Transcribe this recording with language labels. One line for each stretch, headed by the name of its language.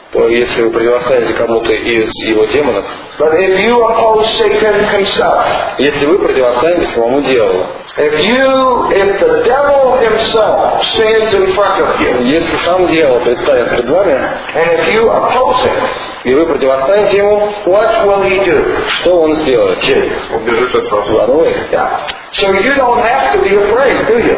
Russian: Если вы противостанете кому-то из его демонов,
English: but if you oppose Satan himself,
Russian: если вы противостанете самому дьяволу,
English: if you, if the devil himself stands in front of you,
Russian: если сам дьявол предстанет перед вами,
English: and if you oppose him,
Russian: и вы противостанете ему,
English: what will he do?
Russian: Что он сделает? Убежит от вас. Воруй.
English: So you don't have to be afraid, do you?